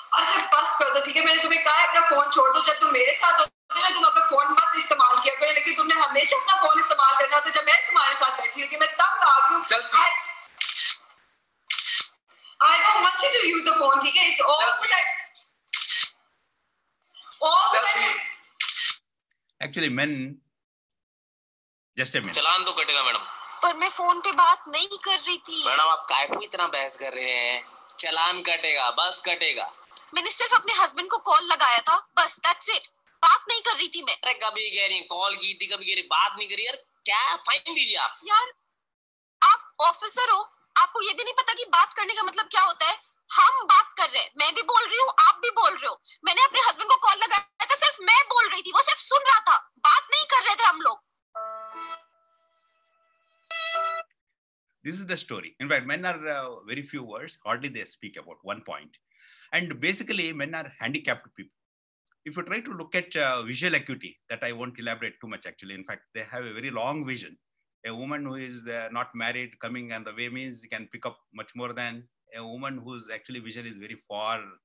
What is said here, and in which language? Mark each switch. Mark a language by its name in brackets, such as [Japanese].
[Hindi] अच्छा बस कर दो ठीक है मैंने तुम्हें कहा है अपना फोन छोड़ दो जब तुम मेरे साथ होते ना तुम अपना फोन मत इस्तेमाल किया करो लेकिन तुमने हमेशा अपना फोन इस्तेमाल करना होता जब मैं तुम्हारे साथ बैठी हूँ कि मैं तंग आ गई हूँ। [English] Selfie. I know how much you use the phone [Hindi] ठीक है [English] it's all Selfie. All Actually men just a minute. [Hindi] चलान तो कटेगा मैडम पर मैं फोन पे बात नहीं कर रही थी मैडम आप काहे को इतना बहस कर रहे हैं चलान कटेगा बस कटेगा मैंने सिर्फ अपने हस्बैंड को कॉल लगाया था बस [English] that's it [Hindi] बात नहीं कर रही थी मैं अरे कभी कह रही कॉल की थी कभी कह रही बात नहीं करी यार क्या फाइन दीजिए आप यार आप ऑफिसर हो आपको ये भी नहीं पता कि बात करने का मतलब क्या होता है हम बात कर रहे हैं मैं भी बोल रही हूँ आप भी बोल रहे हो मैंने अपने हस्बैंड को कॉल लगाया था सिर्फ मैं बोल रही थी वो सिर्फ सुन रहा था बात नहीं कर रहे थे हम लोग [English] This is the story. In fact, men are very few words, hardly they speak about one point. And basically, men are handicapped people. If you try to look at visual acuity, that I won't elaborate too much actually. In fact, they have a very long vision. A woman who is not married, coming on the way means can pick up much more than a woman whose actually vision is very far.